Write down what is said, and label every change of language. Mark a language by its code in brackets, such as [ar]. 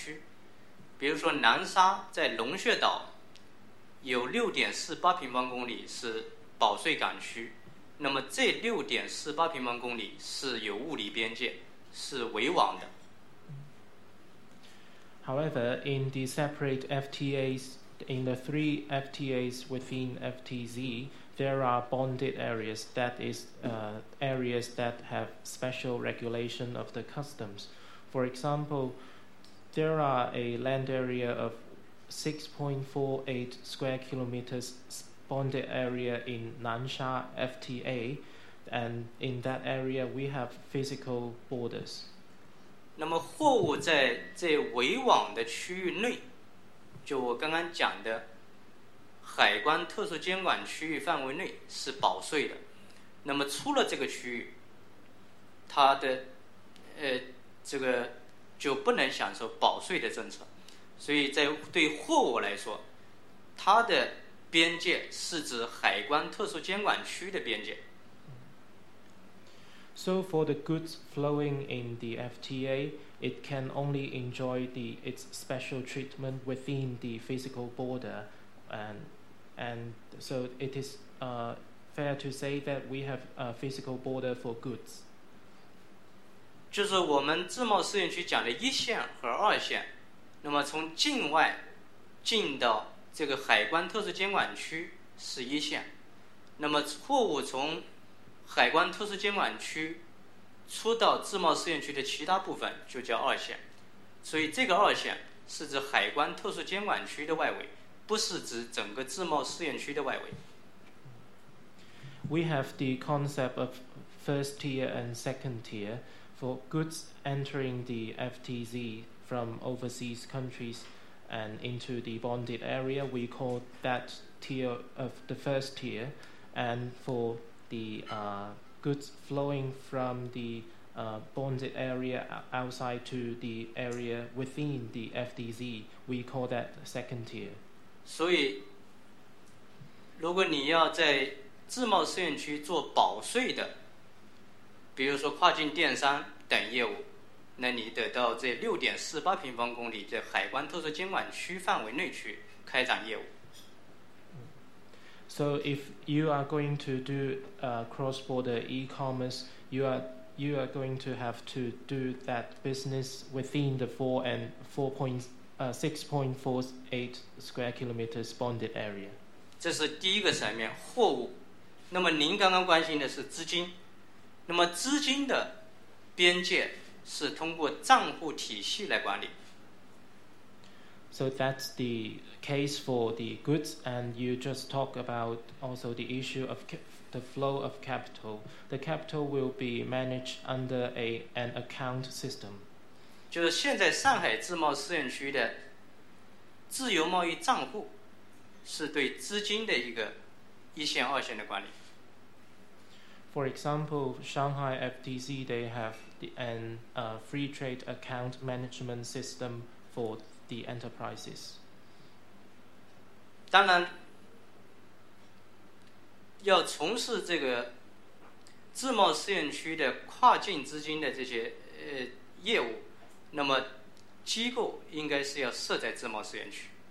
[zh] 但在广东自贸试验区的片区里面有保税港区，就我们讲的海关特殊监管区，比如说南沙在龙穴岛。 有6.48平方公里是保税港区那么这6.48平方公里是有物理边界，是围网的。 [en] However, in the separate FTAs, in the three FTAs within FTZ, there are bounded areas, that is, areas that have special regulation of the customs. For example, there are a land area of 6.48 square kilometers bounded area in Nansha FTA, and in that area we have physical borders. [zh] 那么货物在这围网的区域内，就我刚刚讲的海关特殊监管区域范围内是保税的。那么出了这个区域，它的这个就不能享受保税的政策。所以在对货物来说，它的边界是指海关特殊监管区的边界。 [en] So for the goods flowing in the FTA, it can only enjoy its special treatment within the physical border. And so it is fair to say that we have a physical border for goods. [zh] 就是我们自贸试验区讲的一线和二线，那么从境外进到这个海关特殊监管区是一线，那么货物从海关特殊监管区出到自贸试验区的其他部分就叫二线，所以这个二线是指海关特殊监管区的外围，不是指整个自贸试验区的外围。 [en] We have the concept of first tier and second tier for goods entering the FTZ from overseas countries and into the bonded area. We call that tier of the first tier, and for the goods flowing from the bonded area outside to the area within the FDZ, we call that second tier. [zh] 所以如果你要在自贸试验区做保税的，比如说跨境电商等业务，那你得到这6.48平方公里在海关特殊监管区范围内去开展业务。 [en] So if you are going to do cross-border e-commerce, you are going to have to do that business within the 6.48 square kilometers bonded area. [zh] 这是第一个层面，货物。那么您刚刚关心的是资金。那么资金的边界是通过账户体系来管理。 [en] So that's the case for the goods, and you just talk about also the issue of the flow of capital. The capital will be managed under an account system. [zh] 就是现在上海自贸试验区的自由贸易账户是对资金的一个一线二线的管理。 [en] For example, Shanghai FTZ, they have a free trade account management system for the enterprises. [zh] 当然要从事这个自贸试验区的跨境资金的这些业务，那么机构应该是要设在自贸试验区。